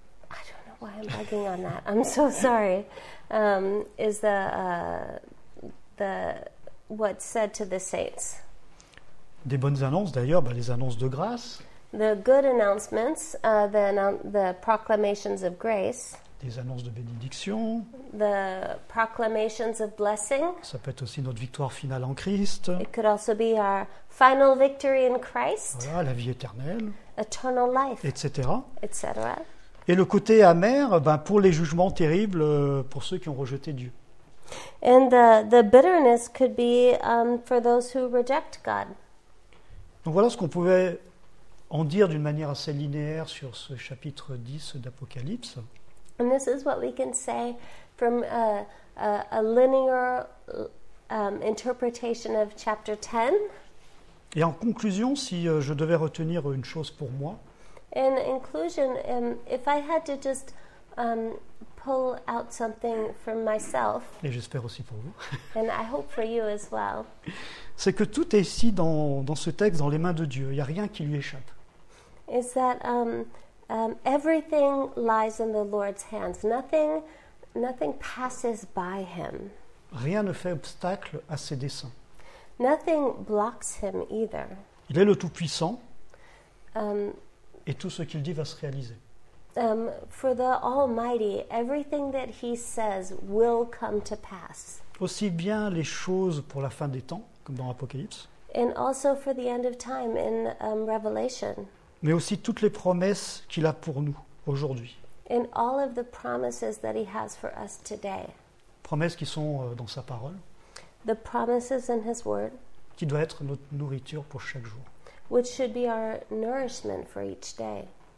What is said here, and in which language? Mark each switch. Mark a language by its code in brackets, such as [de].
[en] I don't know why I'm bugging on that. I'm so sorry. Is the what's said to the saints? [fr] Des bonnes annonces, d'ailleurs, les annonces de grâce. [en] The good announcements, the proclamations of grace. [fr] Des annonces de bénédiction. [en] The proclamations of blessing. [fr] Ça peut être aussi notre victoire finale en Christ. [en] It could also be our final victory in Christ. [fr] Voilà, la vie éternelle. [en] Eternal life. [fr] Etc. [en] Etc. [fr] Et le côté amer, pour les jugements terribles pour ceux qui ont rejeté Dieu. [en] And the bitterness could be for those who reject God. [fr] Donc voilà ce qu'on pouvait en dire d'une manière assez linéaire sur ce chapitre 10 d'Apocalypse. [en] And this is what we can say from a linear interpretation of chapter 10. [fr] Et en conclusion, si je devais retenir une chose pour moi. [en] In conclusion, if I had to just pull out something for myself. [fr] Et j'espère aussi pour vous. [en] And I hope for you as well. [fr] C'est que tout est ici dans ce texte, dans les mains de Dieu. Il n'y a rien qui lui échappe. [en] Is that everything lies in the Lord's hands. Nothing passes by him. [fr] Rien ne fait obstacle à ses desseins. [en] Nothing blocks him either. [fr] Il est le Tout-Puissant. Et tout ce qu'il dit va se réaliser. [en] For the Almighty, everything that he says will come to pass. [fr] Aussi bien les choses pour la fin des temps, comme dans Apocalypse. [en] And also for the end of time in Revelation. [fr] Mais aussi toutes les promesses qu'il a pour nous aujourd'hui. [en] And all of the promises that he has for us today. [fr] Promesses qui sont dans sa parole. [en] The promises in his word. [fr] Qui doit être notre nourriture pour chaque jour. [en] Which should be our nourishment for each day.